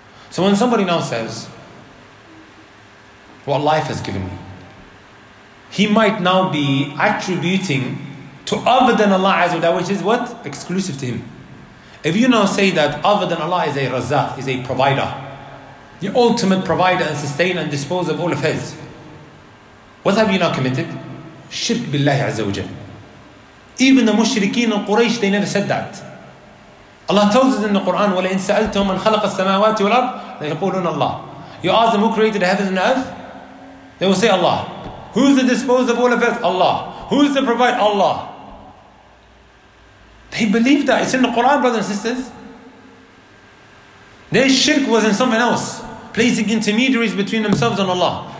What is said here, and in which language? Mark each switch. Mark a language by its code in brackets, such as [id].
[en] So when somebody now says, what life has given me, he might now be attributing to other than Allah Azza wa Jalla, which is what? Exclusive to him. If you now say that other than Allah is a Razzaq, is a provider, the ultimate provider and sustainer and disposer of all of his, what have you now committed? Shirk billahi Azza wa Jalla. Even the mushrikeen and Quraysh, they never said that. Allah tells us in the Quran, [ar] وَلَئِن سَأَلْتُهُمْ مَنْ خَلَقَ السَّمَاوَاتِ وَالْأَرْضِ لَيَقُولُونَ اللَّهِ. [en] You ask them who created the heavens and the earth? They will say Allah. Who is the disposer of all of us? Allah. Who is the provider? Allah. They believe that. It's in the Quran, brothers and sisters. Their shirk was in something else, placing intermediaries between themselves and Allah.